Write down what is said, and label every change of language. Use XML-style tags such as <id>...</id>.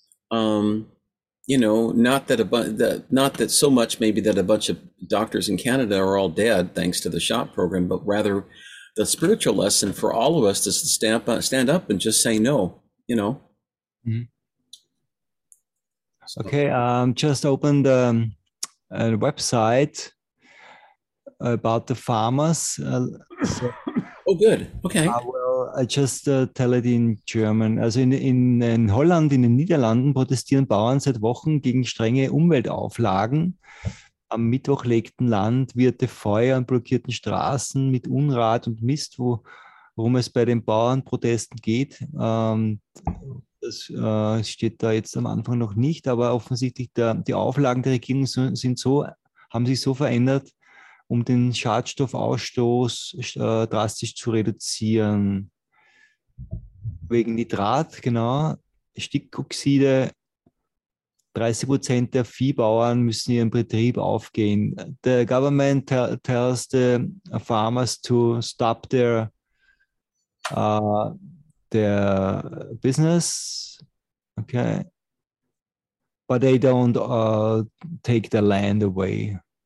<en>Not that a bunch of doctors in Canada are all dead thanks to the SHOP program, but rather the spiritual lesson for all of us is to stand up and just say no, you know. Mm-hmm. So. Okay, just opened a website about the farmers. Good. Okay. I just tell it in German.</en> <de>Also in Holland, in den Niederlanden, protestieren Bauern seit Wochen gegen strenge Umweltauflagen. Am Mittwoch legten Landwirte Feuer an blockierten Straßen mit Unrat und Mist, worum es bei den Bauernprotesten geht. Das steht da jetzt am Anfang noch nicht, aber offensichtlich die Auflagen der Regierung haben sich so verändert, um den Schadstoffausstoß drastisch zu reduzieren. Wegen Nitrat, genau, Stickoxide, 30% der Viehbauern müssen ihren Betrieb aufgeben.</de> <en>The government tells the farmers to stop their business, okay, but they don't take the land away.</en>